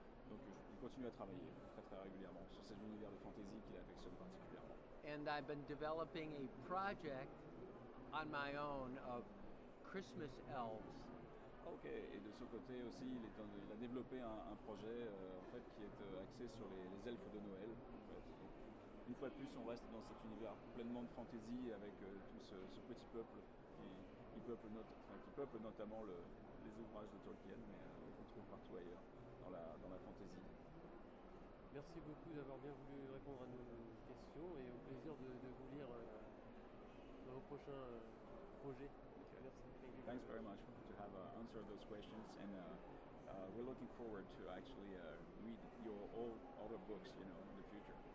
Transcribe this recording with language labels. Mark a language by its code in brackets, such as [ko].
[fr] Donc je continue à travailler très très régulièrement sur cet univers de fantasy qui l'affectionne particulièrement. [en] And I've been developing a project on my own of Christmas elves. [fr] Ok, et de son côté aussi, il a développé un projet en fait, qui est axé sur les elfes de Noël. En fait. Une fois de plus, on reste dans cet univers pleinement de fantasy avec tout ce petit peuple qui peuple notamment les ouvrages de Tolkien, mais qu'on trouve partout ailleurs dans la fantasy. Merci beaucoup d'avoir bien voulu répondre à nos questions et au plaisir de vous lire dans vos prochains projets. [en] Thanks very much to have answered those questions, and we're looking forward to actually read your other books, you know, in the future.